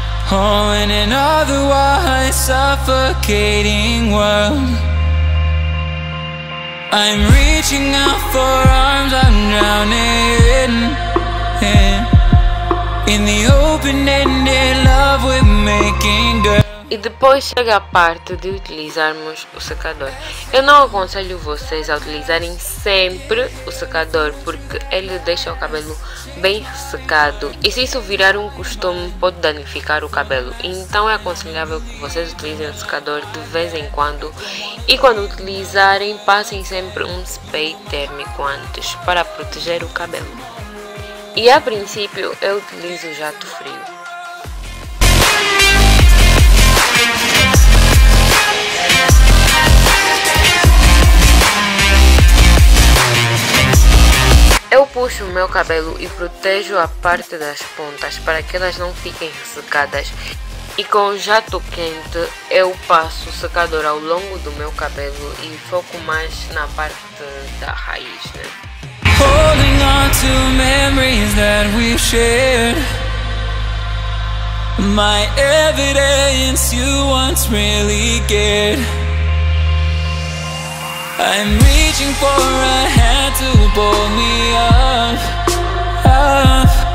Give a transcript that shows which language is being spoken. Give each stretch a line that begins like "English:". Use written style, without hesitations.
English: Oh, in an otherwise suffocating world, I'm reaching out for arms I'm drowning in. In the open-ended love we're making, girl.
Portuguese: E depois chega a parte de utilizarmos o secador. Eu não aconselho vocês a utilizarem sempre o secador, porque ele deixa o cabelo bem secado. E se isso virar um costume, pode danificar o cabelo. Então é aconselhável que vocês utilizem o secador de vez em quando. E quando utilizarem, passem sempre um spray térmico antes, para proteger o cabelo. E a princípio, eu utilizo o jato frio. Eu puxo o meu cabelo e protejo a parte das pontas para que elas não fiquem ressecadas. E com o jato quente, eu passo o secador ao longo do meu cabelo e foco mais na parte da raiz, né?
English: Holding on to memories that we shared. My evidence you once really cared. I'm reaching for a hand to pull me up, up.